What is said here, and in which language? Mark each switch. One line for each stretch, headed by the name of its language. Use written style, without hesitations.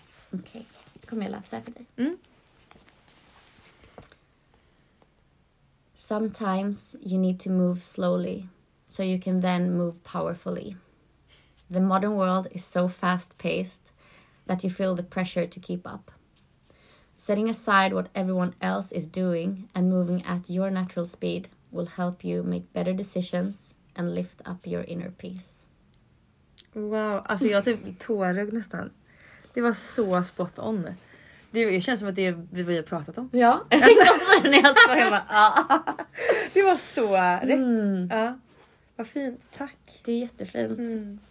Swedish: Okej, då kommer jag läsa för dig. Mm.
English: Sometimes you need to move slowly so you can then move powerfully. The modern world is so fast-paced that you feel the pressure to keep up. Setting aside what everyone else is doing and moving at your natural speed will help you make better decisions and lift up your inner peace.
Swedish: Wow, alltså jag typ tårögd nästan. Det var så
English: spot on.
Swedish: Det känns som att det är vad vi har pratat om. Ja, jag tänkte också när jag såg. Jag bara, Det var så rätt. Mm. Ja. Vad fint, tack. Det är jättefint. Mm.